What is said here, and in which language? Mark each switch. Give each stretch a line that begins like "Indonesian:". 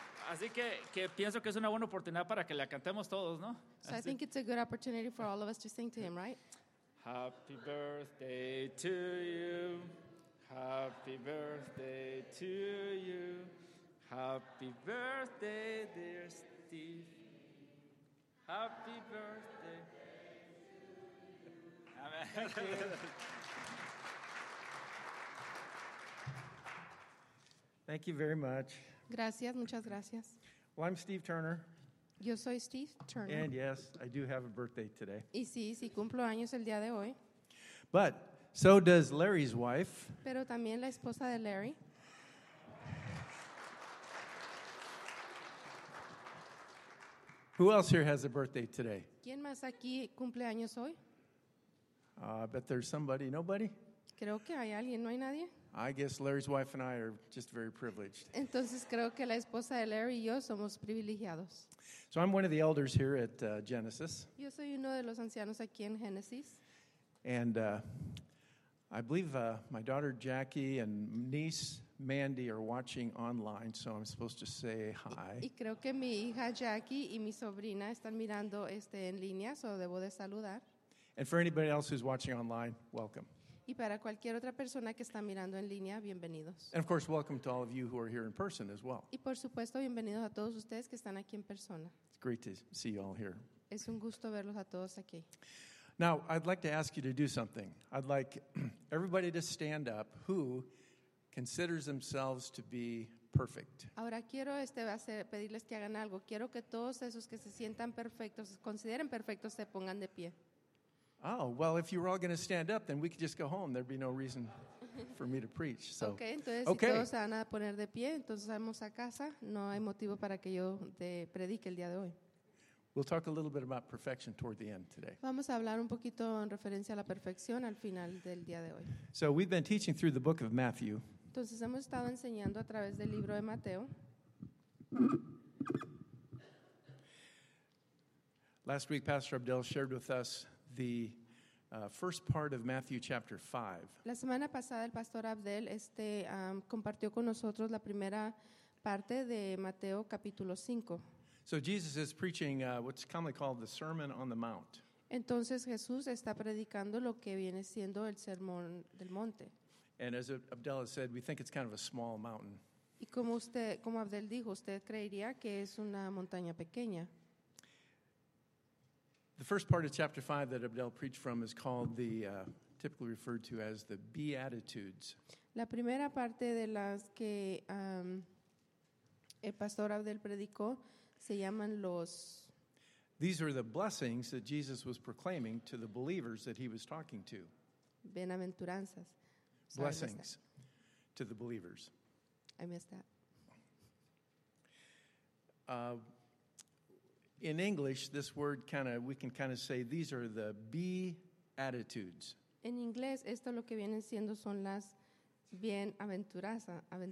Spanish: Así que pienso que es una buena oportunidad para que le cantemos todos, ¿no?
English: So I think it's a good opportunity for all of us to sing to him, right? Happy birthday to you. Happy birthday to you. Happy birthday, dear Steve. Happy birthday. Amen. Thank you very much.
Spanish: Gracias, muchas gracias.
English: Well, I'm Steve Turner.
Spanish: Yo soy Steve Turner.
English: And yes, I do have a birthday today.
Spanish: Y sí, sí cumplo años el día de hoy.
English: But so does Larry's wife.
Spanish: Pero también la esposa de Larry.
English: Who else here has a birthday today?
Spanish: ¿Quién más aquí cumple años hoy?
English: I bet there's somebody. Nobody?
Spanish: Creo que hay alguien, ¿no hay nadie?
English: I guess Larry's wife and I are just very privileged.
Spanish: Entonces creo que la esposa de Larry y yo somos privilegiados.
English: So I'm one of the elders here at Genesis.
Spanish: Yo soy uno de los ancianos aquí en Genesis.
English: And I believe my daughter Jackie and niece Mandy are watching online, so I'm supposed to say hi.
Spanish: Y creo que mi hija Jackie y mi sobrina están mirando en línea, so debo de saludar.
English: And for anybody else who's watching online, welcome.
Spanish: Y para cualquier otra persona que está mirando en línea, bienvenidos.
English: And of course, welcome to all of you who are here in person as well.
Spanish: Y por supuesto, bienvenidos a todos ustedes que están aquí en persona.
English: It's great to see you all here.
Spanish: Es un gusto verlos a todos aquí.
English: Now, I'd like to ask you to do something. I'd like everybody to stand up who considers themselves to be perfect.
Spanish: Ahora quiero pedirles que hagan algo. Quiero que todos esos que se sientan perfectos, consideren perfectos, se pongan de pie.
English: Oh, well, if you were all going to stand up, then we could just go home. There'd be no reason for me to preach. So.
Spanish: Okay, entonces okay. Si todos se van a poner de pie, entonces vamos a casa. No hay motivo para que yo te predique el día de hoy.
English: We'll talk a little bit about perfection toward the end today.
Spanish: Vamos a hablar un poquito en referencia a la perfección al final del día de hoy.
English: So we've been teaching through the book of Matthew.
Spanish: Entonces hemos estado enseñando a través del libro de Mateo.
English: Last week, Pastor Abdel shared with us the first part of Matthew chapter 5.
Spanish: La semana pasada el pastor Abdel compartió con nosotros la primera parte de Mateo capítulo 5.
English: So Jesus is preaching what's commonly called the Sermon on the Mount.
Spanish: Entonces Jesús está predicando lo que viene siendo el Sermón del Monte.
English: And as Abdel has said, we think it's kind of a small mountain.
Spanish: Y como usted, como Abdel dijo, usted creería que es una montaña pequeña.
English: The first part of chapter 5 that Abdel preached from is called the typically referred to as the Beatitudes.
Spanish: La primera parte de las que el pastor Abdel predicó se llaman los.
English: These are the blessings that Jesus was proclaiming to the believers that he was talking to.
Spanish: Bienaventuranzas.
English: Blessings to the believers. I missed that. In English, this word we can say these are the Beatitudes.
Spanish: En inglés, esto lo que vienen siendo son las bienaventuranzas.